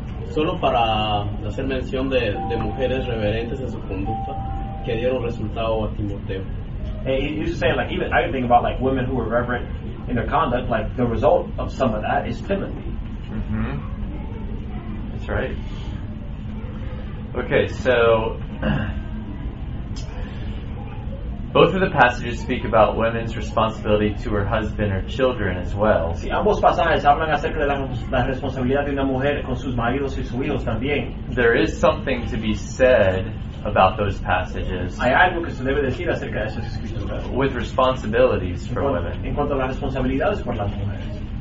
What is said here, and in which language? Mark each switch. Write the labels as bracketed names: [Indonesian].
[Spanish] Solo para hacer mención de mujeres reverentes en su conducta que dieron resultado a Timoteo. [English] You just say like, even I can think about like women who were reverent in their conduct, like the result of some of that is Timothy. Mm-hmm. That's right. Okay, so both of the passages speak about women's responsibility to her husband or children as well. [Spanish] Sí, ambos pasajes hablan acerca de la responsabilidad de una mujer con sus maridos y sus hijos también. [English] There is something to be said about those passages. [Spanish] Hay algo que se debe decir acerca de esas escrituras. [English] With responsibilities for women. [Spanish] En cuanto a las responsabilidades por las mujeres.